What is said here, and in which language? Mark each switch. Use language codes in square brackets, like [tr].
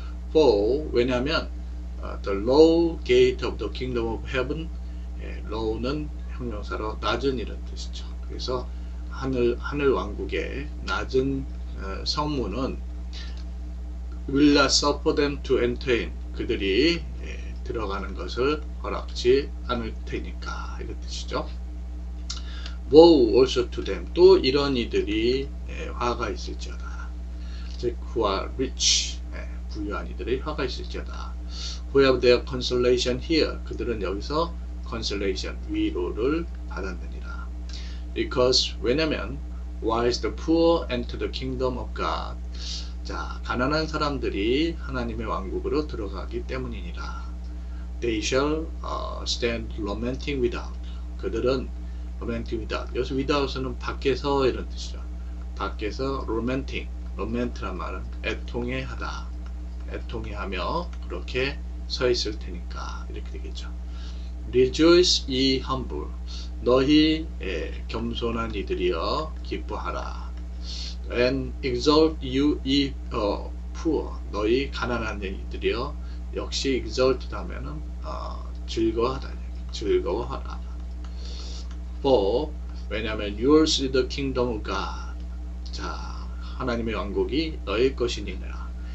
[en] For 왜냐하면 the low gate of the kingdom of heaven, low는 [ko] 형용사로 낮은 이런 뜻이죠. 그래서 하늘 왕국의 낮은 성문은 [en] will not suffer them to enter in. [ko] 그들이 들어가는 것을 허락지 않을 테니까. 이런 뜻이죠. [en] Woe also to them. [ko] 또 이런 이들이 화가 있을지어다. [en] Who are rich. [ko] 부유한 이들이 화가 있을지어다. [en] Who have their consolation here. [ko] 그들은 여기서 consolation, 위로를 받았느니라. [en] Because, [ko] 왜냐면, [en] why is the poor enter the kingdom of God? [ko] 자, 가난한 사람들이 하나님의 왕국으로 들어가기 때문이니라. [en] They shall stand lamenting without. [ko] 그들은 [en] lamenting without. [ko] 여기서 without은 밖에서 이런 뜻이죠. 밖에서 lamenting. lament란 말은 애통해하다. 애통해하며 그렇게 서 있을 테니까. 이렇게 되겠죠. [en] Rejoice ye humble. [ko] 너희 겸손한 이들이여 기뻐하라. [en] And exalt you, ye poor. [ko] 너희 가난한 이들이여, 역시 exalted 하면은 즐거워하다, 즐거워하라. [en] For [ko] 왜냐하면 [en] yours is the kingdom of God. [ko] 자, 하나님의 왕국이 너희 것이니라.